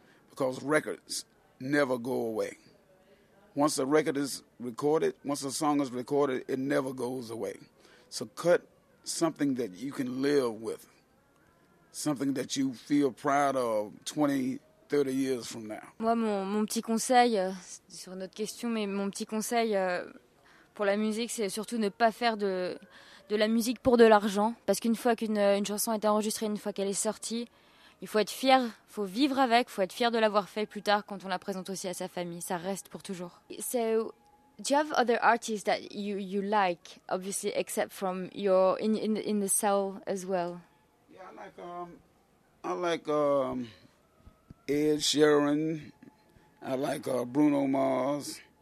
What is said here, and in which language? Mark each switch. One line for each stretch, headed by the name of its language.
English: Because records never go away. Once a record is recorded, once a song is recorded, it never goes away. So cut something that you can live with. Something that you feel proud of 20, 30 years from now.
French: Moi, mon petit conseil, sur notre question, mais mon petit conseil pour la musique, c'est surtout ne pas faire de la musique pour de l'argent. Parce qu'une fois qu'une chanson est enregistrée, une fois qu'elle est sortie, il faut être fier, il faut vivre avec, il faut être fier de l'avoir fait plus tard quand on la présente aussi à sa famille. Ça reste pour toujours.
English: So, do you have other artists that you like, obviously, except from your in the soul as well? I like Ed Sheeran. I like Bruno Mars.